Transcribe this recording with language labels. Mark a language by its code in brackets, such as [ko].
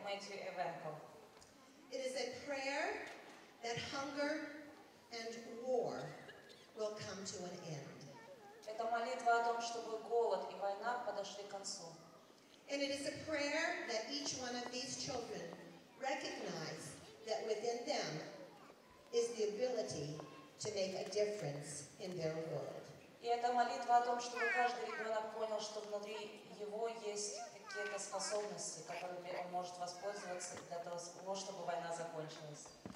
[en] It is a prayer that hunger and war will come to an end. [ru] Это молитва о том, чтобы голод и война подошли к концу. [en] And it is a prayer that each one of these children recognize that within them is the ability to make a difference in their world. [ru] И это молитва о том, чтобы каждый ребенок понял, что внутри его есть какие-то способности, которыми он может воспользоваться для того, чтобы война закончилась.